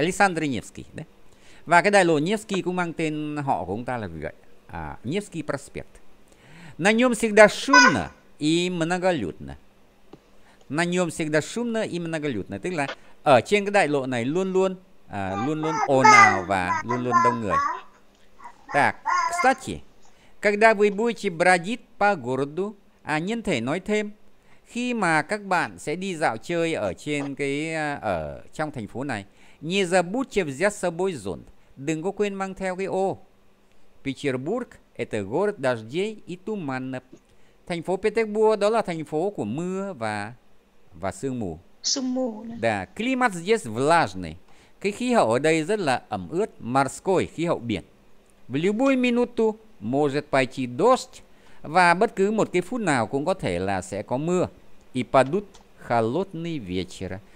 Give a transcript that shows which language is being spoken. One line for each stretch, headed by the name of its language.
Vietnamese: Alexander Nevsky đấy, và cái đại lộ Nevsky cũng mang tên họ của ông ta là vì vậy, Nevsky Prospect.
Russian: На нём всегда шумно и многолюдно. На нём всегда шумно и многолюдно.
Vietnamese: Tức là ở trên cái đại lộ này luôn luôn ồn ào và luôn luôn đông người.
Russian: Так, кстати, когда вы будете бродить по городу,
Vietnamese: nhân thể nói thêm, khi mà các bạn sẽ đi dạo chơi ở trên cái ở trong thành phố này,
Russian: не забудьте взять с собой зонт.
Vietnamese: Đừng có quên mang theo cái ô.
Russian: Петербург. Это город дождей и туманов.
Vietnamese: Thành phố Petersburg đó là thành phố của mưa và sương mù. Sương mù nữa.
Russian: Да, климат здесь влажный.
Vietnamese: Cái khí hậu ở đây rất là ẩm ướt,
Russian: морской,
Vietnamese: khí hậu biển.
Russian: В любую минуту может пойти дождь.
Vietnamese: Và bất cứ một cái phút nào cũng có thể là sẽ có mưa.
Russian: И падут холодные вечера.